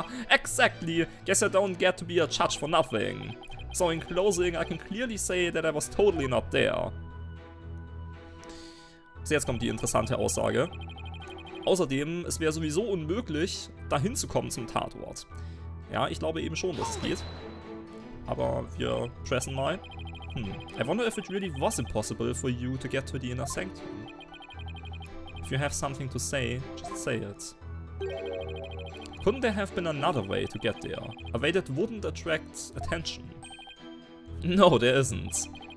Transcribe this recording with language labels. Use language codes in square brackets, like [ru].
[en] Exactly. Guess I don't get to be a judge for nothing. So in closing, I can clearly say that I was totally not there. [de] So, jetzt kommt die interessante Aussage. Außerdem, es wäre sowieso unmöglich, dahin zu kommen zum Tatort. Ja, ich glaube eben schon, dass es geht. Aber wir stressen mal. [en] I wonder if it really was impossible for you to get to the inner sanctum. If you have something to say, just say it. Couldn't there have been another way to get there? A way that wouldn't attract attention? No, there isn't.